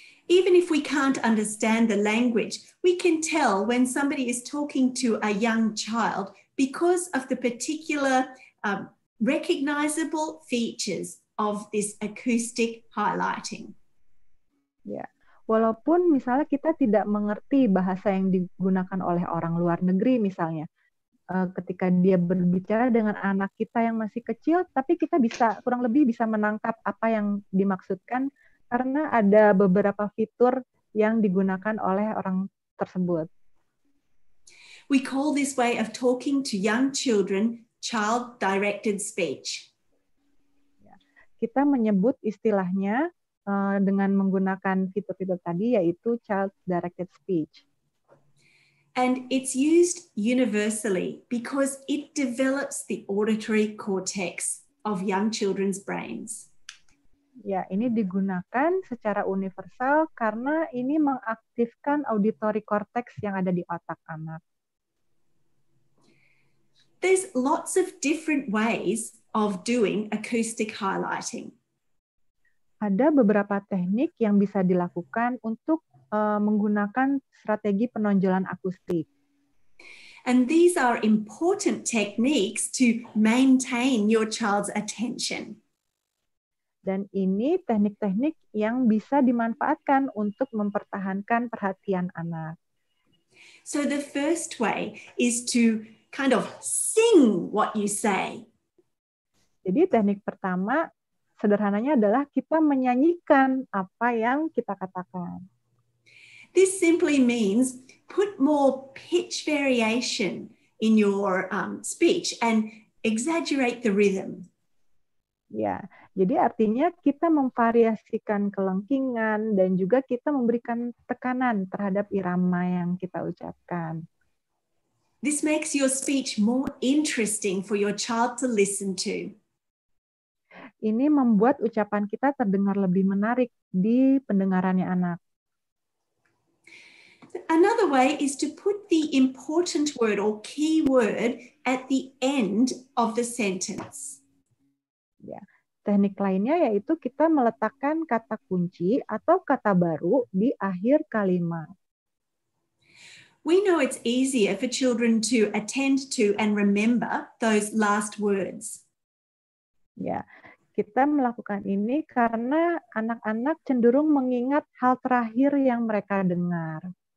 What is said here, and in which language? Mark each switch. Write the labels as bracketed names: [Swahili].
[English] Even if we can't understand the language, we can tell when somebody is talking to a young child because of the particular recognizable features of this acoustic highlighting. Ya. Yeah. [Indonesian] Walaupun misalnya kita tidak mengerti bahasa yang digunakan oleh orang luar negeri misalnya, ketika dia berbicara dengan anak kita yang masih kecil, tapi kita bisa kurang lebih bisa menangkap apa yang dimaksudkan karena ada beberapa fitur yang digunakan oleh orang tersebut. [English] We call this way of talking to young children child-directed speech. [Indonesian] Kita menyebut istilahnya dengan menggunakan fitur-fitur tadi, yaitu child-directed speech. [English] And it's used universally because it develops the auditory cortex of young children's brains. [Indonesian] Ya, ini digunakan secara universal karena ini mengaktifkan auditory cortex yang ada di otak anak. [English] There's lots of different ways of doing acoustic highlighting. [Indonesian] Ada beberapa teknik yang bisa dilakukan untuk menggunakan strategi penonjolan akustik. [English] And these are important techniques to maintain your child's attention. [Indonesian] Dan ini teknik-teknik yang bisa dimanfaatkan untuk mempertahankan perhatian anak. [English] So the first way is to kind of sing what you say. [Indonesian] Jadi teknik pertama sederhananya adalah kita menyanyikan apa yang kita katakan. [English] This simply means put more pitch variation in your speech and exaggerate the rhythm. [Indonesian] Ya, jadi artinya kita memvariasikan kelengkingan dan juga kita memberikan tekanan terhadap irama yang kita ucapkan. [English] This makes your speech more interesting for your child to listen to. [Indonesian] Ini membuat ucapan kita terdengar lebih menarik di pendengarannya anak. [English] Another way is to put the important word or key word at the end of the sentence. [Indonesian] Ya, teknik lainnya yaitu kita meletakkan kata kunci atau kata baru di akhir kalimat. [English] We know it's easier for children to attend to and remember those last words. Ya. [Indonesian] Kita melakukan ini karena anak-anak cenderung mengingat hal terakhir yang mereka dengar.